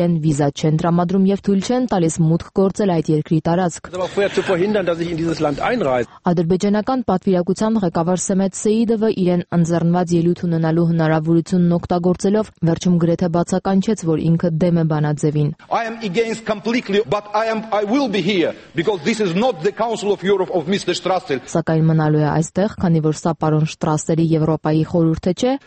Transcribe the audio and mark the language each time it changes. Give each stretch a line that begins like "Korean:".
Armenian: իրեն վիզա չեն տրամադրում եւ թույլ չեն տալիս մուտք գործել այդ երկրի տարածք։ Ադրբեջանական պատվիրակության ղեկավար Սեմեդ Սեյիդովը իրեն ընձեռնված ելույթ ունենալու հնարավորությունն օգտագործելով վերջում գրեթե բացականչեց, որ ինքը դեմ է բանաձևին։
English: I am against completely, but I will be here because this is not the Council of Europe of Mr. Strasser.
Armenian: Սակայն մնալու է այստեղ, քանի որ սա պարոն Շտրասերի Եվրոպայի խորհուրդը չէ։